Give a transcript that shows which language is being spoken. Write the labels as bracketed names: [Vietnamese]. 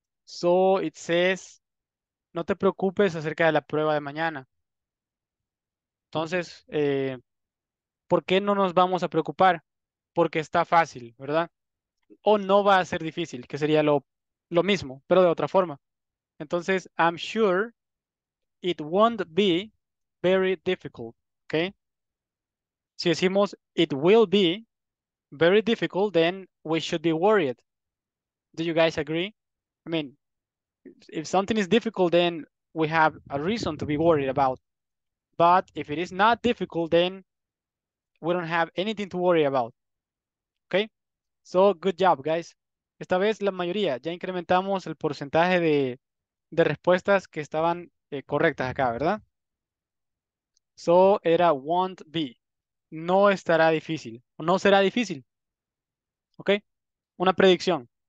[English] So it says [Spanish] no te preocupes acerca de la prueba de mañana. Entonces, ¿por qué no nos vamos a preocupar? Porque está fácil, ¿verdad? O no va a ser difícil, que sería lo mismo, pero de otra forma. Entonces, [English] I'm sure it won't be very difficult, ¿ok? [Spanish] Si decimos [English] it will be very difficult, then we should be worried. Do you guys agree? I mean, if something is difficult, then we have a reason to be worried about. But if it is not difficult, then we don't have anything to worry about. Okay? So, good job, guys. [Spanish] Esta vez, la mayoría. Ya incrementamos el porcentaje de respuestas que estaban correctas acá, ¿verdad? So, era won't be. No estará difícil. No será difícil. Okay? Una predicción.